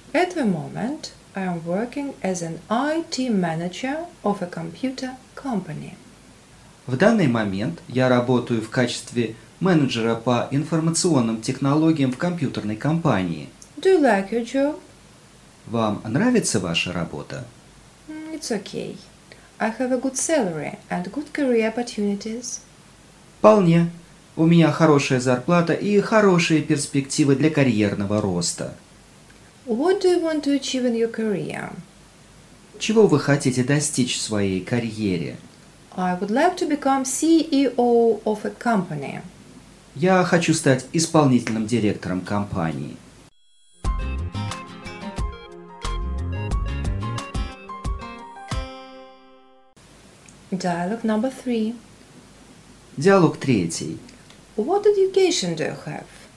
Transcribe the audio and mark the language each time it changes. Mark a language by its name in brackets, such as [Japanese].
[English] At the moment, I am working as an IT manager of a computer company. [Russian] В данный момент я работаю в качестве менеджера по информационным технологиям в компьютерной компании. [English] Do you like your job? [Russian] Вам нравится ваша работа? [English] It's okay. I have a good salary and good career opportunities. [Russian] Вполне. У меня хорошая зарплата и хорошие перспективы для карьерного роста. [English] What do you want to achieve in your career? [Russian] Чего вы хотите достичь в своей карьере? [English] I would like to become CEO of a company. [Russian] Я хочу стать исполнительным директором компании. [English] Dialogue number 3. [Russian] Диалог третий. [English] What education do you have?